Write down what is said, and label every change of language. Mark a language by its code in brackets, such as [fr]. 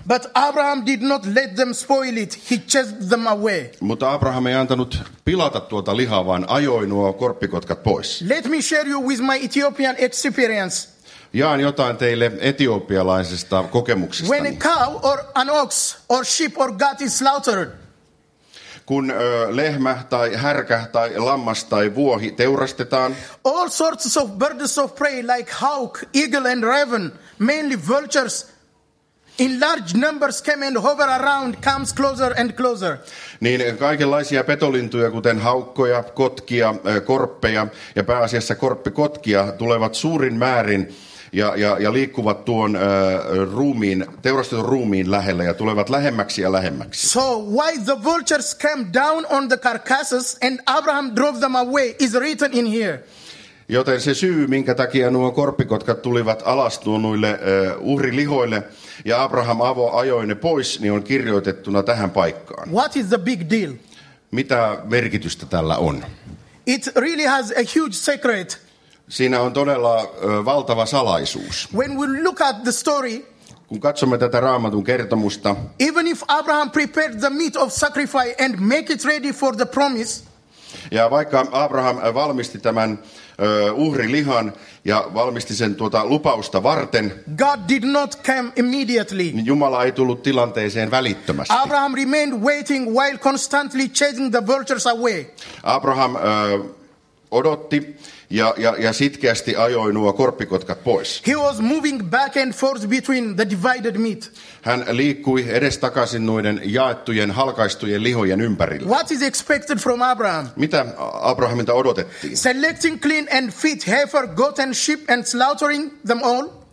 [en] But Abraham did not let them spoil it. He chased them away. [fi] Mutta Abraham ei antanut pilata tuota lihaa, vaan ajoi nuo korppikotkat pois. [en] Let me share you with my Ethiopian experience. [fi] Jaan jotain teille etiopialaisesta kokemuksesta. [en] When a cow or an ox or sheep or goat is slaughtered. [fi] kun lehmä tai härkä tai lammas tai vuohi teurastetaan. [en] All sorts of birds of prey like hawk, eagle and raven, mainly vultures, in large numbers came and hover around, comes closer and closer. [fi] Niin kaikenlaisia petolintuja, kuten haukkoja, kotkia, korppeja ja pääasiassa korppikotkia, tulevat suurin määrin ja liikkuvat tuon ruumiin, teurastetun ruumiin lähelle ja tulevat lähemmäksi ja lähemmäksi. [en] So why the vultures came down on the carcasses and Abraham drove them away is written in here. [fi] Joten se syy, minkä takia nuo korppikotkat tulivat alas tuonuille uhrilihoille ja Abraham ajoi ne pois, niin on kirjoitettuna tähän paikkaan. [en] What is the big deal? [fi] Mitä merkitystä tällä on? [en] It really has a huge secret. [fi] Siinä on todella valtava salaisuus. [en] When we look at the story, [fi] kun katsomme tätä Raamatun kertomusta, [en] even if Abraham prepared the meat of sacrifice and make it ready for the promise, [fi] ja vaikka Abraham valmisti tämän uhrilihan ja valmisti sen tuota lupausta varten, [en] God did not come immediately. [fi] Jumala ei tullut tilanteeseen välittömästi. [en] Abraham remained waiting while constantly chasing the vultures away. [fi] Abraham odotti ja sitkeästi ajoi nuo korppikotkat pois. [en] He was moving back and forth between the divided meat. [fi] Hän liikkui edestakaisin noiden jaettujen, halkaistujen lihojen ympärillä. [en] What is expected from Abraham? [fi] Mitä Abrahamilta odotettiin? [en] Selecting clean and fit heifer, goat and sheep and slaughtering them all.